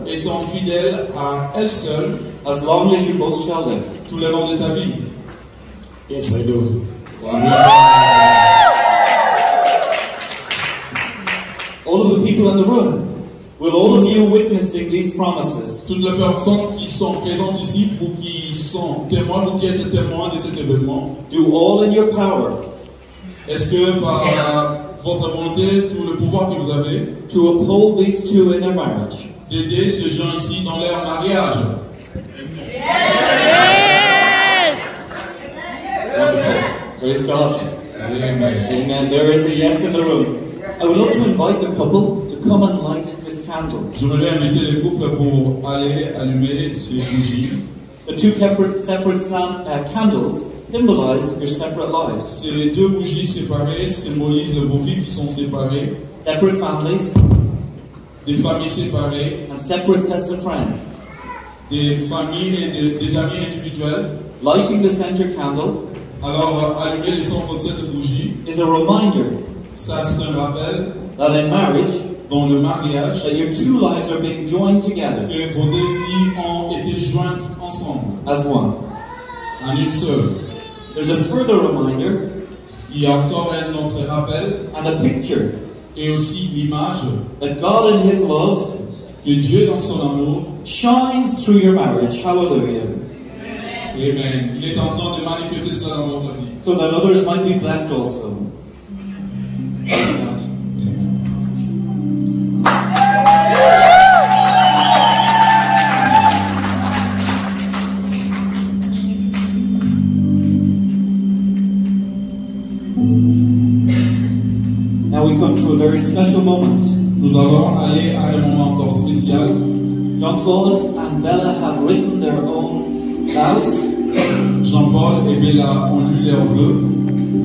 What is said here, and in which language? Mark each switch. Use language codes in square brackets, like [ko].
[fr] Étant fidèle à elle seule. [en] As long as you both shall live. [fr] Tout le long de ta vie. [en] Yes, I do. All of the people in the room, will all of you witnessing these promises? [fr] Toutes les personnes qui sont présentes ici, vous qui sont témoins ou qui êtes témoins de cet événement, [en] do all in your power. [fr] Est-ce que par votre volonté, tout le pouvoir que vous avez, [en] to uphold these two in their marriage? [fr] D'aider ces gens ici dans leur mariage. [en] Yes. Wonderful. Praise God. Amen. Amen. There is a yes in the room. I would love to invite the couple to come and light this candle. [fr] Je voudrais inviter le couple pour aller allumer ces bougies. [en] The two separate candles symbolize your separate lives. [fr] Ces deux bougies séparées symbolisent vos vies qui sont séparées. [en] Separate families. [fr] Des familles séparées. [en] And separate sets of friends. [fr] Des familles et des amis individuels. [en] Lighting the center candle. [fr] Alors, allumer les 137 bougies [en] is a reminder. [fr] Ça, c'est un rappel. [en] That in marriage, [fr] dans le mariage, [en] that your two lives are being joined together. [fr] Que vos deux vies ont été jointes ensemble. [en] As one. [fr] En une seule. [en] There's a further reminder. [fr] Il y a encore un autre rappel. [en] And a picture. [fr] Et aussi l'image. [en] That God in His love. [fr] Que Dieu dans son amour. [en] Shines through your marriage. Hallelujah. Amen. [fr] Il est en train de manifester cela dans votre vie. [en] So that others might be blessed also. Now we come to a very special moment. [fr] Nous allons aller à un moment encore spécial. [en] Jean-Claude and Bella have written their own vows. [fr] Jean-Paul et Bella ont lu leurs vœux.